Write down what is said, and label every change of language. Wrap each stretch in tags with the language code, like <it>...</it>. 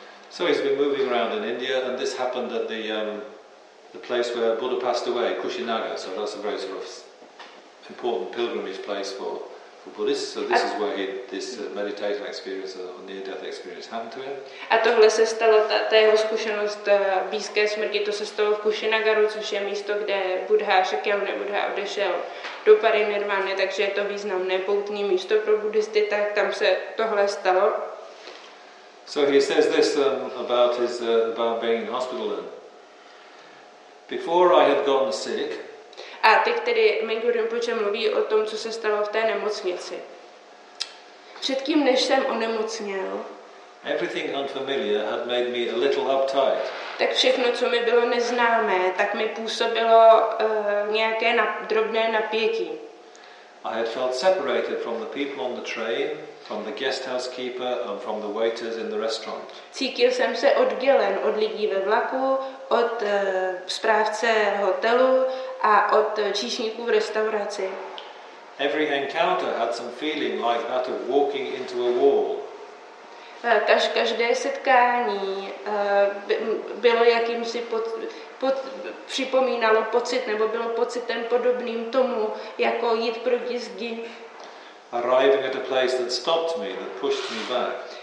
<en>So he's been moving around in India and this happened at the place where Buddha passed away, Kushinaga, so that's a very sort of important pilgrimage place for Buddhists, so this is where meditation experience or near-death experience happened to him.</en> <cs>A tohle se stalo, ta jeho zkušenost blízké smrti, to se stalo v Kushinagaru, což je místo, kde Buddha, Shakyamuni Buddha odešel do parinirvány, takže je to významné poutní místo pro buddhisty, tak tam se tohle stalo.</cs> <en>So he says this about his about being in hospital then. Before I had gotten sick,</en> <cs>a teď tedy Mingyur Rinpoche mluví o tom, co se stalo v té nemocnici. Předtím, než jsem onemocněl,</cs> <en>everything unfamiliar had made me a little uptight.</en> <cs>Tak všechno, co mi bylo neznámé, tak mi působilo nějaké drobné napětí.</cs> <en>I had felt separated from the people on the train, from the guest housekeeper and from the waiters in the restaurant.</en> <cs>Cítil jsem se oddělen od lidí ve vlaku, od správce hotelu a od číšníků v restauraci.</cs> <en>Every encounter had some feeling like that of walking into a wall.</en> <cs>Každé setkání bylo jakýmsi připomínalo pocit, nebo bylo pocitem podobným tomu, jako jít proti zdi.</cs> <en>Arriving at a place that stopped me, that pushed me back.</en>